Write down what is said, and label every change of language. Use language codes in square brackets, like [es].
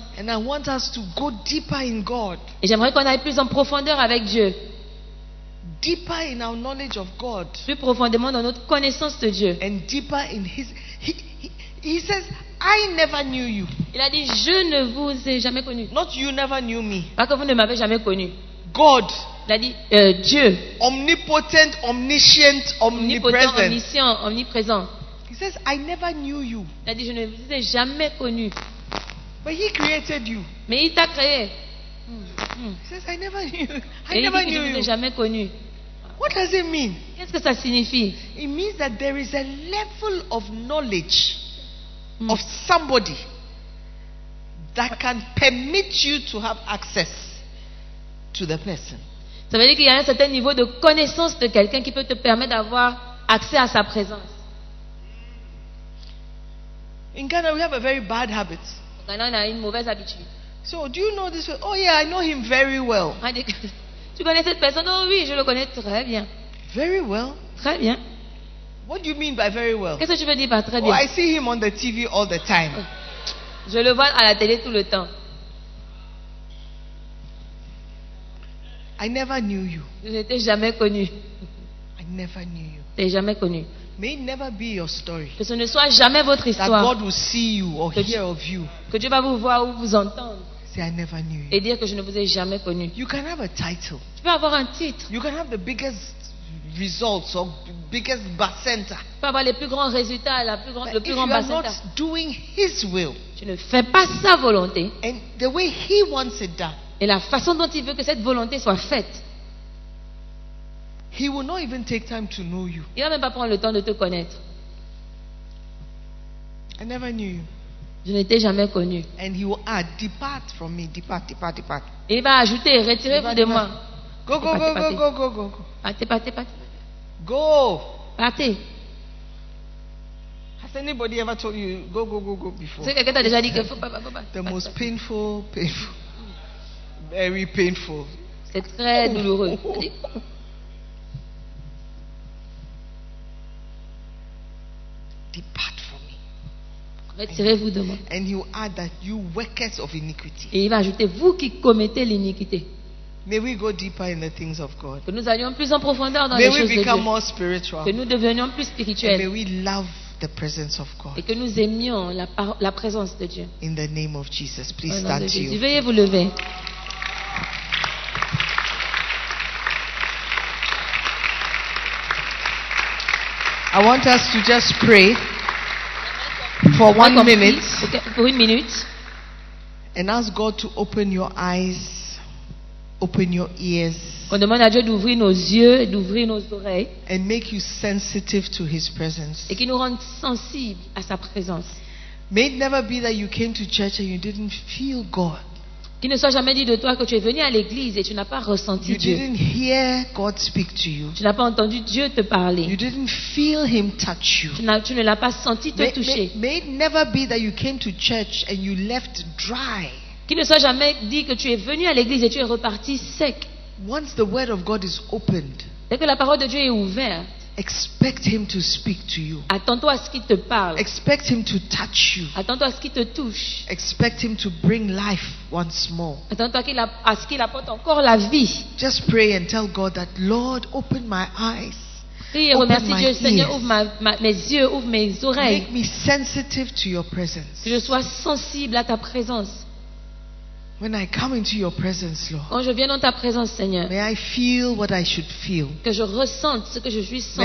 [en] And I want us to go deeper in God. [fr] Et j'aimerais qu'on aille plus en profondeur avec Dieu. [en] Deeper in our knowledge of God. [fr] Plus profondément dans notre connaissance de Dieu. [en] And deeper in His. He says, I never knew you. [fr] Il a dit, je ne vous ai jamais connu. [en] Not you never knew me. [fr] Pas que vous ne m'avez jamais connu. [en] God. [fr] Il a dit Dieu. [en] Omnipotent, omniscient, omnipresent. [fr] Omniscient, omniprésent. [en] He says, I never knew you. [fr] Il a dit, je ne vous ai jamais connu. [en] But he created you. [fr] Mais il t'a créé. [en] He says, I never knew. I never knew you. [fr] Je ne vous ai jamais connu. [en] What does it mean? [fr] Qu'est-ce que ça signifie? [en] It means that there is a level of knowledge of somebody that can permit you to have access to the person. [fr] Ça veut dire qu'il y a un certain niveau de connaissance de quelqu'un qui peut te permettre d'avoir accès à sa présence. [en] In Ghana, we have a very bad habit. [fr] Au Ghana, on a une mauvaise habitude. [en] So, do you know this? Oh yeah, I know him very well. [fr] Tu connais cette personne? Oh oui, je le connais très bien. [en] Very well. [fr] Très bien. [en] What do you mean by very well? [fr] Qu'est-ce que tu veux dire par très bien? [en] Oh, I see him on the TV all the time. [fr] Je le vois à la télé tout le temps. [en] I never knew you. [fr] Je ne t'ai jamais connu. [en] I never knew you. [fr] T'es jamais connu. [en] May it never be your story. [fr] Que ce ne soit jamais votre histoire. [en] That God will see you or hear of you. [fr] Que Dieu va vous voir ou vous entendre. [en] Say I never knew you. [fr] Et dire que je ne vous ai jamais connu. [en] You can have a title. [fr] Tu peux avoir un titre. [en] You can have the biggest results or biggest bacenta. [fr] Tu peux avoir les plus grands résultats, la plus grande, le plus grand bacenta. [en] But if you are not doing His will, [fr] tu ne fais pas sa volonté. [en] And the way He wants it done. [fr] Et la façon dont il veut que cette volonté soit faite. [en] He will not even take time to know you. [fr] Il ne va même pas prendre le temps de te connaître. [en] I never knew you. [fr] Je ne t'ai jamais connu. [en] And he will add, depart from me, depart, depart, depart. [fr] Et il va ajouter, retirez-vous de moi. [en] Go, go, go, go, go, go, go. [fr] Partez, partez, partez. [en] Go. [fr] Partez. [en] Has anybody ever told you, go, go, go, go, before? [fr] C'est quelqu'un qui t'a déjà dit que... [en] The most painful, painful. Very painful. [fr] C'est très douloureux. Oh, oh, oh. [en] Depart from me. [fr] Retirez-vous de moi. [en] And you add that you workers of iniquity. [fr] Et il va ajouter vous qui commettez l'iniquité. [en] May we go deeper in the things of God. [fr] Que nous allions plus en profondeur dans [en] may [fr] les choses de Dieu. [en] May we become more spiritual. [fr] Que nous devenions plus spirituels. [en] And may we love the presence of God. [fr] Et que nous aimions la présence de Dieu. [en] In the name of Jesus, please stand to [fr] you. Veuillez vous lever. [en] I want us to just pray for 1 minute [fr] pour une minute [en] and ask God to open your eyes open your ears. [fr] On demande à Dieu d'ouvrir nos yeux, d'ouvrir nos oreilles. [en] And make you sensitive to His presence. [fr] Et qu'il nous rende sensible à sa présence. [en] May it never be that you came to church and you didn't feel God. [fr] Qu'il ne soit jamais dit de toi que tu es venu à l'église et tu n'as pas ressenti [en] you [fr] Dieu. [en] You didn't hear God speak to you. [fr] Tu n'as pas entendu Dieu te parler. [en] You didn't feel Him touch you. [fr] Tu ne l'as pas senti te toucher. [en] May it never be that you came to church and you left dry. [fr] Qu'il ne soit jamais dit que tu es venu à l'église et tu es reparti sec. [en] Once the word of God is opened, [fr] dès que la parole de Dieu est ouverte, [en] expect Him to speak to you. [fr] Attends-toi à ce qu'il te parle. [en] Expect Him to touch you. [fr] Attends-toi à ce qu'il te touche. [en] Expect Him to bring life once more. [fr] Attends-toi à ce qu'il apporte encore la vie. [en] Just pray and tell God that, Lord, open my eyes. [fr] Prie et remercie Dieu, Seigneur, ouvre mes yeux, ouvre mes oreilles. [en] Make me sensitive to Your presence. [fr] Que je sois sensible à Ta présence. [en] When I come into Your presence, Lord. [fr] Quand je viens dans ta présence, Seigneur. [en] May I feel what I should feel. [fr] Que je ressente ce que je suis censé